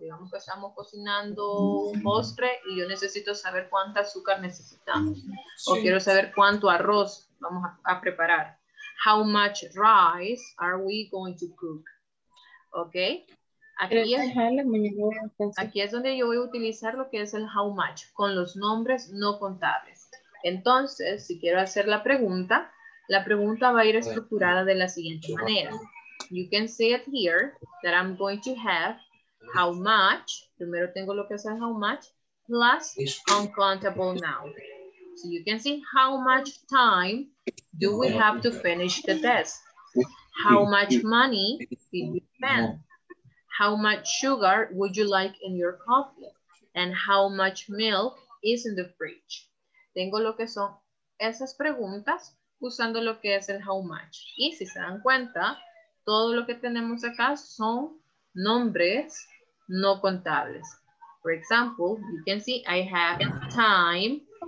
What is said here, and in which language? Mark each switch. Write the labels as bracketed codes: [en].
[es] Digamos que estamos cocinando un postre y yo necesito saber cuánta azúcar necesitamos. O quiero saber cuánto arroz vamos a preparar. [en] How much rice are we going to cook? [es] ¿Ok? Aquí es donde yo voy a utilizar lo que es el how much, con los nombres no contables. Entonces, si quiero hacer la pregunta va a ir estructurada de la siguiente manera. [en] You can see it here that I'm going to have how much, [es] primero tengo lo que es el [en] how much, plus uncountable noun. So you can see how much time do we have to finish the test? How much money did you spend? How much sugar would you like in your coffee? And how much milk is in the fridge? [es] Tengo lo que son esas preguntas usando lo que es el how much. Y si se dan cuenta, todo lo que tenemos acá son nombres no contables. [en] For example, you can see I have time.